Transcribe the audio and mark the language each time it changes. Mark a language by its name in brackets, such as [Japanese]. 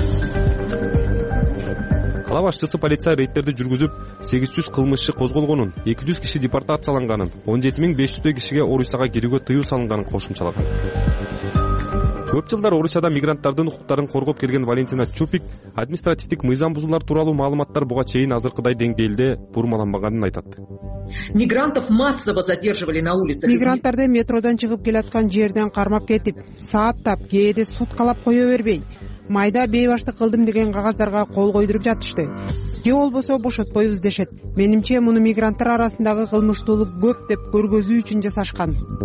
[Kyrgyz] Кала башчысы полиция рейдтерди жүргүзүп, 800 кылмышы козголгонун, 200 киши депортацияланганын, 17500 кишиге Орусияга кирүүгө тыюу салынганын кошумчалаган. Көп жылдар Орусияда мигранттардын укуктарын коргоп келген Валентина Чупик административдик мыйзам бузуулар тууралуу маалыматтар буга чейин азыркыдай деңгээлде бурмаланбаганын айтат. [Russian] Мигрантов массово задерживали на улице. [Kyrgyz] Мигранттарды метродон чыгып келаткан жерден кармап кетип, сааттап, кээде суткалап кое бербей, майда бейбаштык кылдым деген кагаздарга кол койдуруп жатышты. Же болбосо бошотпойбуз дешет. Менимче муну мигранттар арасындагы кылмыштуулук көп деп көргөзүү үчүн жасашкан.